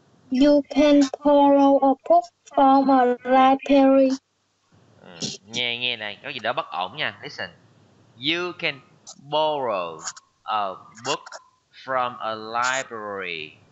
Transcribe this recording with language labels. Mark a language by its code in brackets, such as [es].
[en] You can borrow a book from a library. [vi] Nghe này, có gì đó bất ổn nha. [en] Listen. You can borrow a book from a library.